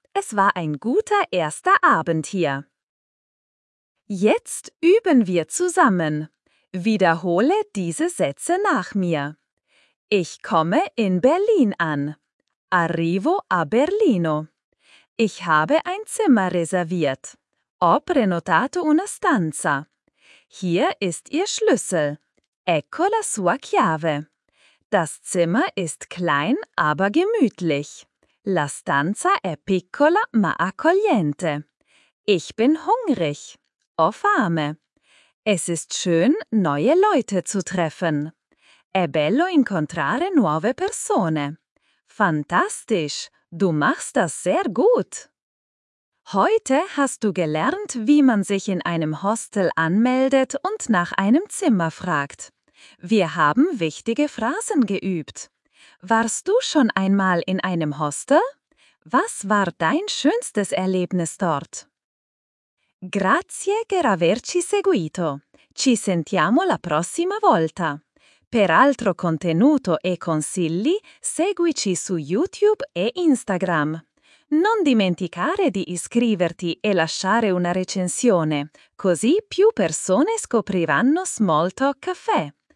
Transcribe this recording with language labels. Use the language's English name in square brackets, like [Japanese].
[German] Es war ein guter erster Abend hier. Jetzt üben wir zusammen. Wiederhole diese Sätze nach mir. Ich komme in Berlin an. [Italian] Arrivo a Berlino. [German] Ich habe ein Zimmer reserviert. [Italian] Ho prenotato una stanza. [German] Hier ist Ihr Schlüssel. [Italian] Ecco la sua chiave. [German] Das Zimmer ist klein, aber gemütlich. [Italian] La stanza è piccola, ma accogliente. [German] Ich bin hungrig. [Italian] Ho fame. [German] Es ist schön, neue Leute zu treffen. [Italian] È bello incontrare nuove persone. [German] Fantastisch! Du machst das sehr gut! Heute hast du gelernt, wie man sich in einem Hostel anmeldet und nach einem Zimmer fragt. Wir haben wichtige Phrasen geübt. Warst du schon einmal in einem Hostel? Was war dein schönstes Erlebnis dort? [Italian] Grazie per averci seguito. Ci sentiamo la prossima volta. Per altro contenuto e consigli, seguici su YouTube e Instagram. Non dimenticare di iscriverti e lasciare una recensione, così più persone scopriranno Small Talk Caffè.